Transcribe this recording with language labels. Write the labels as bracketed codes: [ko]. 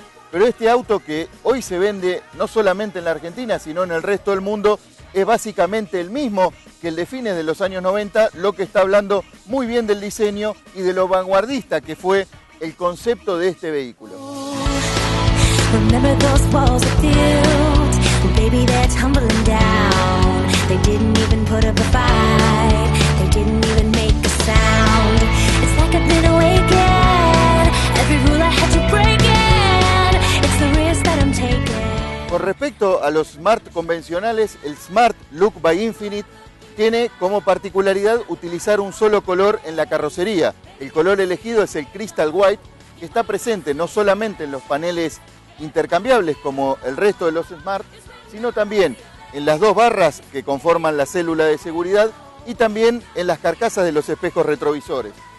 [es] Pero este auto que hoy se vende no solamente en la Argentina, sino en el resto del mundo, es básicamente el mismo que el de fines de los años 90, lo que está hablando muy bien del diseño y de lo vanguardista que fue el concepto de este vehículo. [en] Remember those walls of filth, baby, they're tumbling down. They didn't even put up a fight, they didn't even make a sound. It's like I've been awakened, every rule I had to break in. It's the risk that I'm taking. [es] Con respecto a los Smart convencionales, el Smart Look by Infinite tiene como particularidad utilizar un solo color en la carrocería. El color elegido es el Crystal White, que está presente no solamente en los paneles intercambiables como el resto de los Smart, sino también en las 2 barras que conforman la célula de seguridad y también en las carcasas de los espejos retrovisores.